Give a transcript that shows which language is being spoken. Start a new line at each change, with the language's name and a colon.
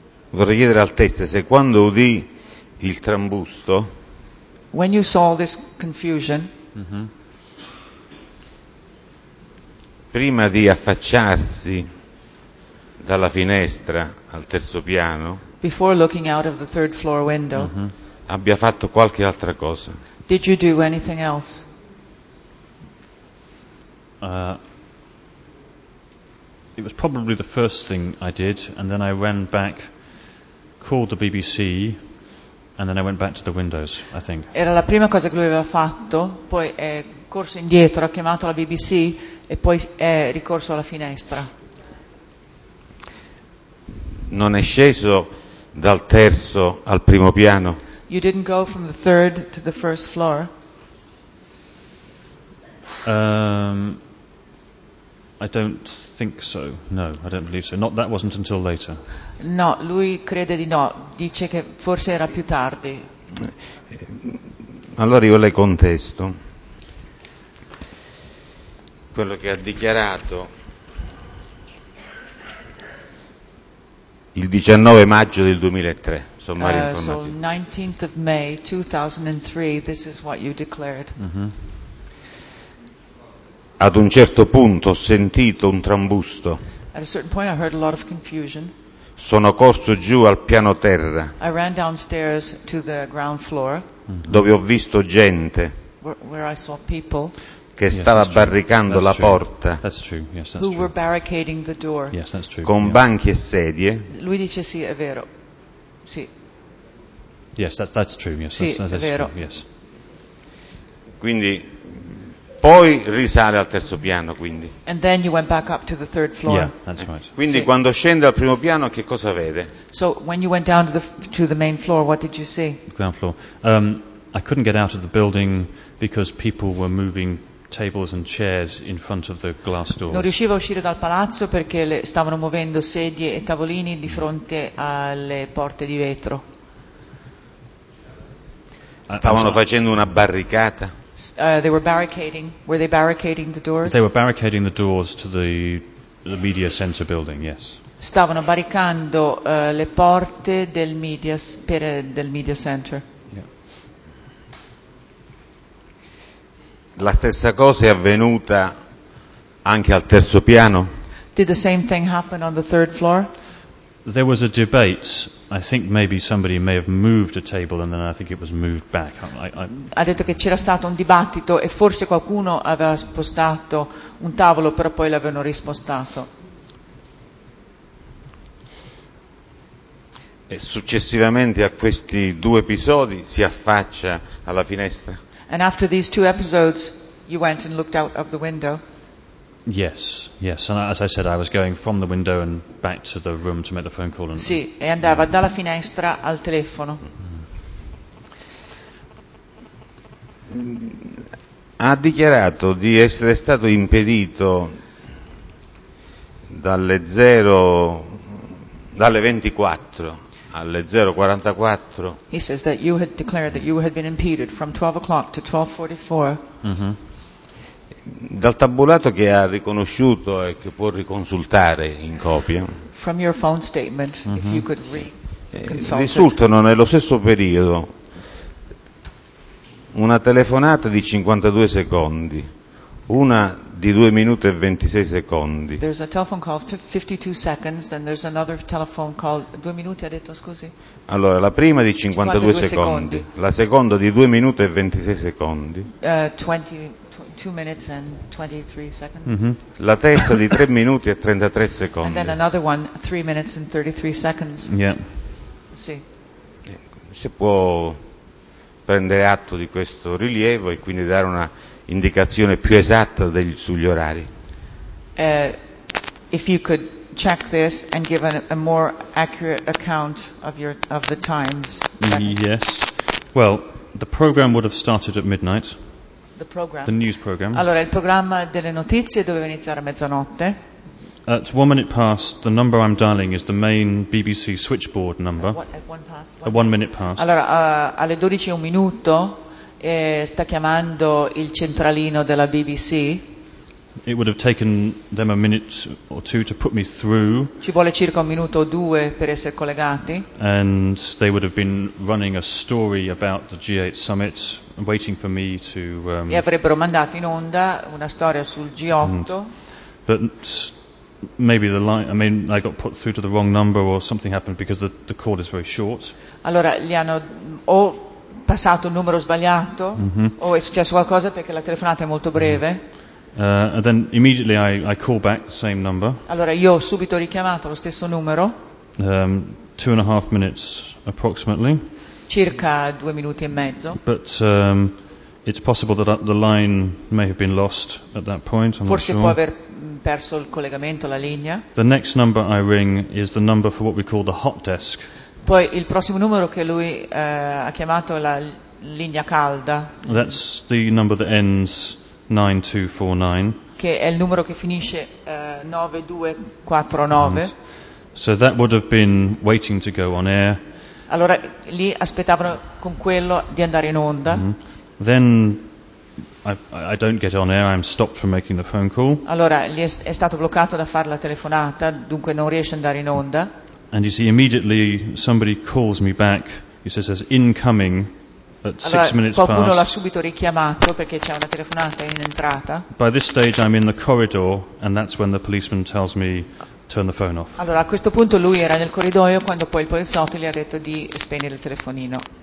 Italian: Vorrei chiedere al test se quando udì il trambusto...
English: When you saw this confusion...
Italian: Prima di affacciarsi dalla finestra al terzo piano,
English: before looking out of the third floor window,
Italian: abbia fatto qualche altra cosa.
English: Did you do anything else? It was probably the first thing I did, and then I ran back, called the BBC, and then I went back to the windows, I think.
Italian: Era la prima cosa che lui aveva fatto, poi è corso indietro, ha chiamato la BBC. E poi è ricorso alla finestra. Non è sceso dal terzo al primo piano.
English: You didn't go from the third to the first floor. I don't think so. No, I don't believe so. Not that wasn't until later.
Italian: No, lui crede di no. Dice che forse era più tardi. Allora io le contesto quello che ha dichiarato il 19 maggio del 2003, sommaria informativa.
English: So 19th of May 2003, this is what you declared.
Italian: Ad un certo punto ho sentito un trambusto.
English: At a certain point I heard a lot of confusion.
Italian: Sono corso giù al piano terra.
English: I ran downstairs to the ground floor.
Italian: Dove ho visto gente.
English: Where I saw people.
Italian: Che stava barricando la porta.
English: That's true. Yes, that's who were barricading the door. Yes, that's true.
Italian: Con banchi e sedie. Lui dice sì, è vero. Sì.
English: Yes, that's true. Yes,
Italian: sì,
English: that's
Italian: vero.
English: True. Yes.
Italian: Quindi poi risale al terzo piano, quindi.
English: And then you went back up to the third floor. Yeah, that's right.
Italian: Quindi sì. Quando scende al primo piano che cosa vede?
English: So when you went down to the main floor, what did you see? The ground floor. I couldn't get out of the building because people were moving tables and chairs in front of the glass doors. Non riuscivo a uscire dal palazzo perché stavano muovendo sedie e tavolini di fronte alle porte di vetro. Stavano facendo una barricata. They were barricading. Were they barricading the doors? They were barricading the doors to the media center building. Yes.
Italian: Stavano barricando le porte del media center. La stessa cosa è avvenuta anche al terzo piano.
English: Did the same thing happen on the third floor? There was a debate. I think maybe somebody may have moved a table and then I think it was moved back.
Italian: Ha detto che c'era stato un dibattito e forse qualcuno aveva spostato un tavolo, però poi l'avevano rispostato. E successivamente a questi due episodi si affaccia alla finestra.
English: And after these two episodes, you went and looked out of the window? Yes, yes. And as I said, I was going from the window and back to the room to make the phone call. And
Italian: sì, e andava dalla finestra al telefono. Ha dichiarato di essere stato impedito dalle 0, dalle 24 alle 0:44.
English: He says that you had declared that you had been impeded from 12 o'clock to 12:44.
Italian: Dal tabulato che ha riconosciuto e che può riconsultare in copia.
English: From your phone statement, if you could reconsult.
Italian: Risultano nello stesso periodo una telefonata di 52 secondi, una di 2 minuti e 26 secondi.
English: There's a telephone call of 52 seconds, then there's another telephone call
Italian: 2 minuti ha detto, scusi. Allora, la prima di 52 secondi, la seconda di 2 minuti e 26 secondi.
English: 2 minutes and 23 seconds.
Italian: La terza di 3 minuti e 33 secondi.
English: And then another one 3 minutes and 33 seconds. Yeah.
Italian: Sì. Si può prendere atto di questo rilievo e quindi dare una indicazione più esatta sugli orari.
English: If you could check this and give a more accurate account of the times. Yes. Well, the program would have started at midnight. The program. The news program.
Italian: Allora, il programma delle notizie doveva iniziare a mezzanotte.
English: At 1 minute past, the number I'm dialing is the main BBC switchboard number. At one minute past.
Italian: Allora, alle 12 e un minuto sta chiamando il centralino della BBC.
English: It would have taken them a minute or two to put me through.
Italian: Ci vuole circa un minuto o due per essere collegati.
English: And they would have been running a story about the G8 summit, waiting for me to.
Italian: E avrebbero mandato in onda una storia sul G8.
English: Maybe the line, I mean, I got put through to the wrong number or something happened because the call is very short.
Italian: Allora, gli hanno o passato un numero sbagliato, o è successo qualcosa perché la telefonata è molto breve.
English: And then immediately I call back the same number.
Italian: Allora, io ho subito richiamato lo stesso numero.
English: 2.5 minutes approximately.
Italian: Circa
English: 2 minutes and a half. But it's possible that the line may have been lost at that point.
Italian: Forse può aver perso il collegamento, la linea.
English: The next number I ring is the number for what we call the hot desk.
Italian: Poi il prossimo numero che lui ha chiamato è la linea calda.
English: That's the number that ends 9249.
Italian: Che è il numero che finisce 9249.
English: So that would have been waiting to go on air.
Italian: Allora lì aspettavano con quello di andare in onda.
English: Then I don't get on air, I'm stopped from making the phone call.
Italian: Allora lì è stato bloccato da fare la telefonata, dunque non riesce ad andare in onda.
English: And you see immediately somebody calls me back, he says there's incoming at 6 minutes past.
Italian: Qualcuno l'ha subito richiamato perché c'è una telefonata in entrata.
English: By this stage I'm in the corridor and that's when the policeman tells me turn the phone off.
Italian: Allora a questo punto lui era nel corridoio quando poi il poliziotto gli ha detto di spegnere il telefonino.